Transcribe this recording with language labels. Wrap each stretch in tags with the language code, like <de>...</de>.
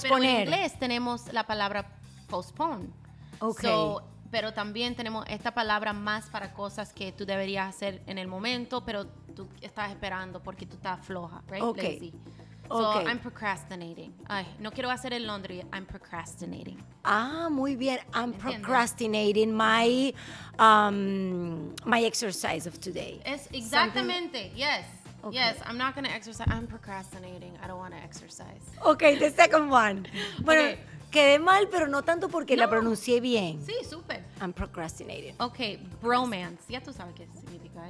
<es>Pero en inglés tenemos la palabra postpone. Okay. So, pero también tenemos esta palabra más para cosas que tú deberías hacer en el momento, pero tú estás esperando porque tú estás floja, right? Okay.</es> <en>Lazy. Okay. So, I'm procrastinating.</en> <es>Ay, no quiero hacer el laundry.</es> <en>I'm procrastinating.</en> <es>Ah, muy bien.</es> <en>Procrastinating my my exercise of today.</en> <es>Es exactamente.</es> <en>Something. Yes. Okay. Yes, I'm not going to exercise. I'm procrastinating. I don't want to exercise. Okay, the second one. Bueno, okay.</en> <es>Quedé mal, pero no tanto porque la pronuncié bien. Sí, súper.</es> <en>I'm procrastinating. Okay, bromance.</en> <es>Ya tú sabes qué significa.</es>